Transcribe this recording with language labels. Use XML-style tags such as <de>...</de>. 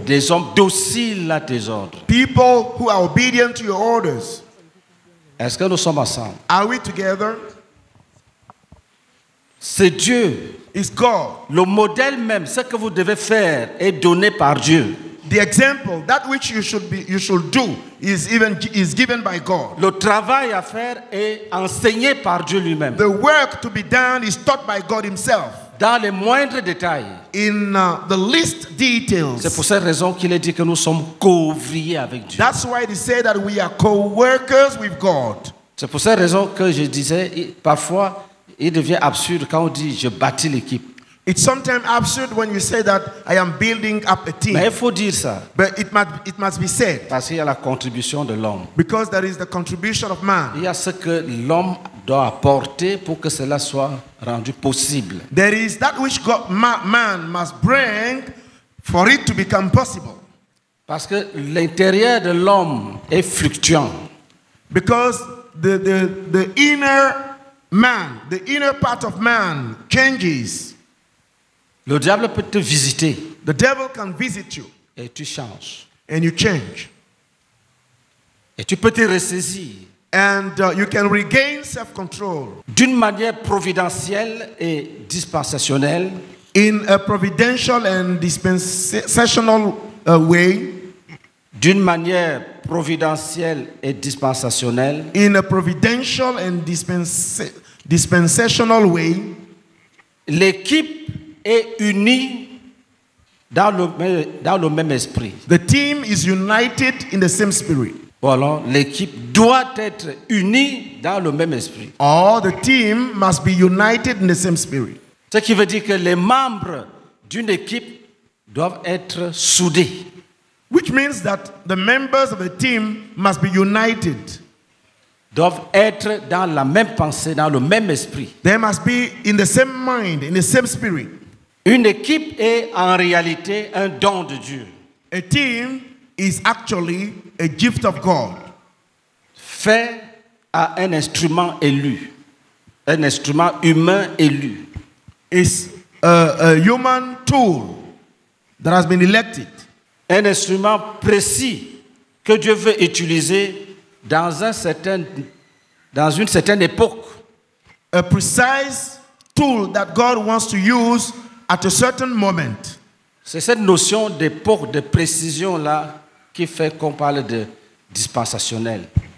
<fr>Des hommes dociles à tes ordres.</fr> <en>People who are obedient to your orders.</en> <fr>Est-ce que nous sommes ensemble?</fr> <en>Are we together?</en> <fr>C'est Dieu.</fr> <en>is God.</en> <fr>Le modèle même, ce que vous devez faire est donné par Dieu.</fr> <en>The example, that which you should do, is given by God.</en> <fr>Le travail à faire est enseigné par Dieu lui-même.</fr> <en>The work to be done is taught by God Himself.</en> <fr>Dans les moindres détails.</fr> <en>In the least details.</en> <fr>C'est pour cette raison qu'il est dit que nous sommes co-ouvriers avec Dieu.</fr> <en>That's why they say that we are co-workers with God.</en> <fr>C'est pour cette raison que je disais parfois, il devient absurde quand on dit je bâtis l'équipe.</fr> <en>It's sometimes absurd when you say that I am building up a team.</en> <fr>Mais il faut dire ça.</fr> <en>But it must be said.</en> <fr>Parce qu'il y a la contribution de l'homme.</fr> <en>Because there is the contribution of man.</en> <fr>Il y a ce que l'homme doit apporter pour que cela soit rendu possible.</fr> <en>There is that which God, man must bring for it to become possible.</en> <fr>Parce que l'intérieur de l'homme est fluctuant.</fr> <en>Because the inner part of man changes.</en> <fr>Le diable peut te visiter.</fr> <en>The devil can visit you.</en> <fr>Et tu changes.</fr> <en>And you change.</en> <fr>Et tu peux te ressaisir.</fr> <en>And you can regain self-control.</en> <fr>D'une manière providentielle et dispensationnelle.</fr> <en>In a providential and dispensational way.</en> <fr>D'une manière providentielle et dispensationnelle.</fr> <en>In a providential and dispensational way.</en> <fr>L'équipe est unie dans le même esprit.</fr> <en>The team is united in the same spirit.</en> <fr>Ou alors l'équipe doit être unie dans le même esprit.</fr> <en>Or the team must be united in the same spirit.</en> <fr>Ce qui veut dire que les membres d'une équipe doivent être soudés.</fr> <en>Which means that the members of the team must be united.</en> <fr>Doivent être dans la même pensée, dans le même esprit.</fr> <en>They must be in the same mind, in the same spirit.</en> <fr>Une équipe est en réalité un don de Dieu.</fr> <en>A team is actually a gift of God.</en> <fr>Fait à un instrument élu. Un instrument humain élu.</fr> <en>It's a human tool that has been elected.</en> <fr>Un instrument précis que Dieu veut utiliser dans une certaine époque.</fr> <en>A precise tool that God wants to use at a certain moment.</en> <fr>C'est cette notion d'époque, de précision là, qui fait qu'on parle de dispensationnel.</fr>